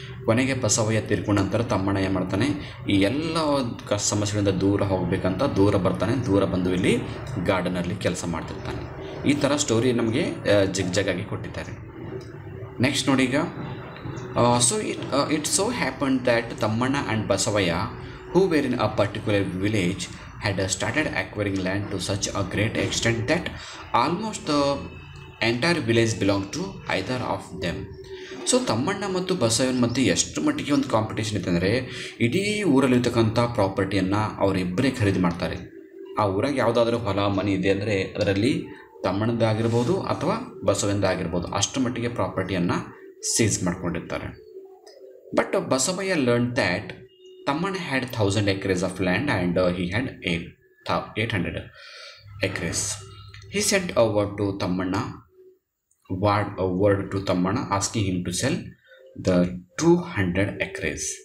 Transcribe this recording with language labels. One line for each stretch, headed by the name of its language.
Kannada: ಕೊನೆಗೆ ಬಸವಯ್ಯ ತೀರ್ಕೊಂಡ ನಂತರ ತಮ್ಮಣ್ಣ ಏನು ಮಾಡ್ತಾನೆ, ಈ ಎಲ್ಲ ಸಮಸ್ಯೆಗಳಿಂದ ದೂರ ಹೋಗಬೇಕಂತ ದೂರ ಬರ್ತಾನೆ. ದೂರ ಬಂದು ಇಲ್ಲಿ ಗಾರ್ಡನಲ್ಲಿ ಕೆಲಸ ಮಾಡ್ತಿರ್ತಾನೆ. ಈ ಥರ ಸ್ಟೋರಿ ನಮಗೆ ಜಿಗ್ ಜಗ್ ಆಗಿ ಕೊಟ್ಟಿದ್ದಾರೆ.
English: next
Kannada: ನೋಡಿ ಈಗ,
English: So it so happen that Tammanna and Basavayya who were in a particular village had started acquiring land to such a great extent that almost the entire village belonged to either of them.
Kannada: So Thammanna ಮತ್ತು ಬಸವನ ಮಧ್ಯೆ ಎಷ್ಟು ಮಟ್ಟಿಗೆ ಒಂದು competition ಇತ್ತು ಅಂದರೆ ಇಡೀ ಊರಲ್ಲಿರ್ತಕ್ಕಂಥ ಪ್ರಾಪರ್ಟಿಯನ್ನು ಅವರಿಬ್ಬರೇ ಖರೀದಿ ಮಾಡ್ತಾರೆ. ಆ ಊರಾಗೆ ಯಾವುದಾದ್ರೂ ಹೊಲ ಮನೆ ಇದೆ ಅಂದರೆ ಅದರಲ್ಲಿ ತಮ್ಮಣ್ಣದಾಗಿರ್ಬೋದು ಅಥವಾ ಬಸವಂದಾಗಿರ್ಬೋದು, ಅಷ್ಟು ಮಟ್ಟಿಗೆ ಪ್ರಾಪರ್ಟಿಯನ್ನು ಸೀಸ್ ಮಾಡ್ಕೊಂಡಿರ್ತಾರೆ.
English: But Basavayya learn that Tammanna had 1,000 acres of land and he had 800 acres. He sent over to Tammanna word to Tammana asking him to sell the 200 acres.